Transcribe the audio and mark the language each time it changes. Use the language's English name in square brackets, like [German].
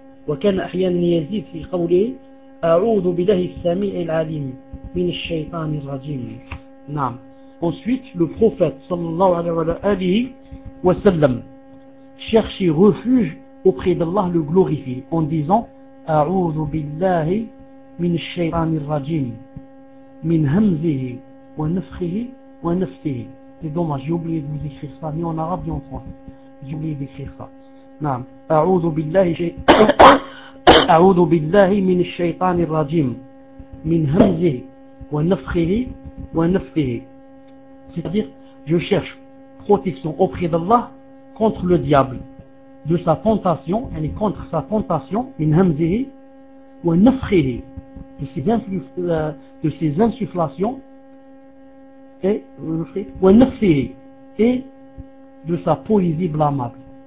[Arabic] وكان أحيانا يزيد في قوله أعوذ بالله السميع العليم من الشيطان الرجيم. نعم. [French] Ensuite, le prophète sallallahu alayhi wa sallam cherchait refuge auprès d'Allah le glorifié en disant [Arabic] أعوذ بالله من الشيطان الرجيم من همزه ونفخه ونفسه. [French] C'est dommage, j'ai oublié de vous écrire ça, ni en arabe ni en français. J'ai oublié d'écrire ça. [Arabic] نعم أعوذ بالله أعوذ بالله من الشيطان الرجيم من همزه ونفخه ونفثه. [French] C'est-à-dire je cherche protection auprès d'Allah contre le diable de sa tentation, [Arabic] يعني [French] contre sa tentation, [Arabic] من همزه ونفخه, [French] de ses insufflations, et [Arabic] ونفثه, [French] et de sa poésie blâmable.